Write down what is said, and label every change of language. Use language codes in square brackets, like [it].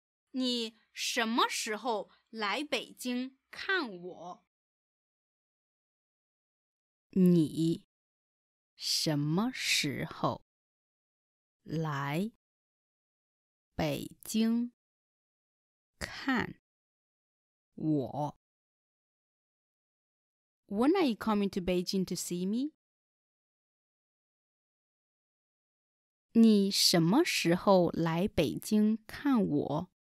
[zh] 你什么时候来北京看我？你什么时候来北京看我？ [en] When are you coming to Beijing to see me? [zh] 你什么时候来北京看我？